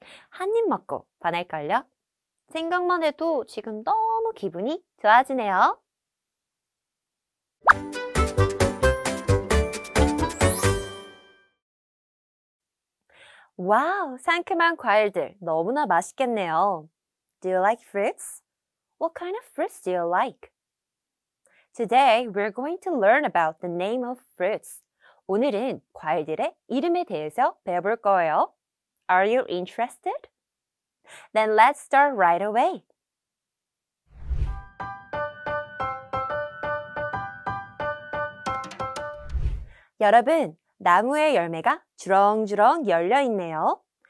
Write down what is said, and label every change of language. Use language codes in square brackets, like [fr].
[ko] 한 입 먹고 반할걸요? 생각만 해도 지금 너무 기분이 좋아지네요. 와우, 상큼한 과일들 너무나 맛있겠네요. [en] Do you like fruits? What kind of fruits do you like? Today, we're going to learn about the name of fruits. [ko] 오늘은 과일들의 이름에 대해서 배워볼 거예요. [en] Are you interested? Then let's start right away. [ko] 여러분, 나무의 열매가 주렁주렁 열려있네요.